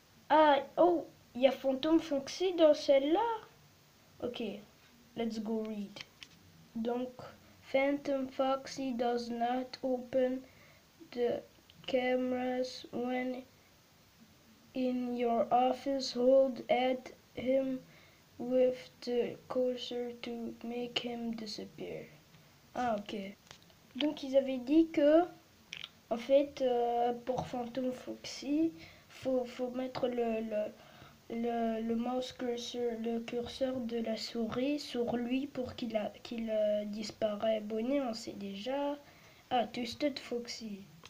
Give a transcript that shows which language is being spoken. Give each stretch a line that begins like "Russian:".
French: Ah, oh, il y a Phantom Foxy dans celle-là.
English: Ok, let's go read. Donc, Phantom Foxy does not open the cameras when in your office. Hold at him with the cursor to make him disappear. Ah, ok.
French: Donc, ils avaient dit que, en fait, pour Phantom Foxy, faut mettre le mouse cursor, le curseur de la souris sur lui pour qu'il disparaisse. Bonnet, on sait déjà. Ah, Twisted Foxy.